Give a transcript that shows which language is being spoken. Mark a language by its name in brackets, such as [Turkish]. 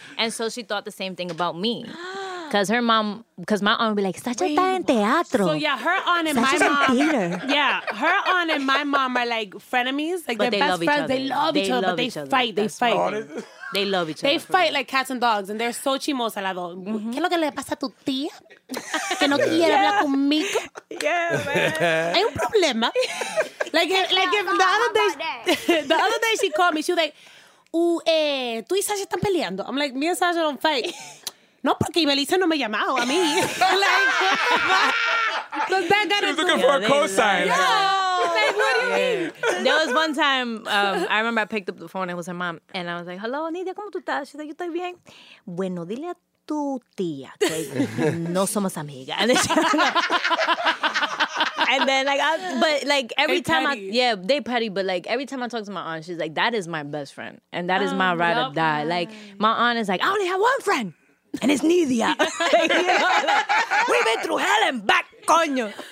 [English] And so she thought the same thing about me. Because her mom, because my aunt would be like, [Spanish] Sasha está en teatro. [English] So yeah, her aunt and my mom. Theater. Yeah, her aunt and my mom are like frenemies. Like, but they're best friends. They love each other, but they fight. They fight. They love each other. They fight like cats and dogs, and they're so chimosa, la dog. Mm-hmm. [Spanish] ¿Qué es lo que le pasa a tu tía? Que no quiere hablar conmigo. [English] Yeah, man. [Spanish] Hay un problema. [English] Like if the other day she called me, she was like, [Spanish] tú y Sasha están peleando. [English] I'm like, me and Sasha don't fight. [Spanish] No, porque Melissa no me ha llamado a mí. [English] Like, so that got, she was looking for a cosign. Yo, like, what do you mean? There was one time, I remember I picked up the phone, it was her mom, and I was like, hello, Nidia, [Spanish] ¿cómo tú estás? [English] She's like, [Spanish] yo estoy bien. Bueno, dile a tu tía que no somos amigas. [English] And then, they petty, but like every time I talk to my aunt, she's like, that is my best friend, and that is my ride or die. Her. Like, my aunt is like, I only have one friend. And it's Nidia. Like, we've been through hell and back, coño.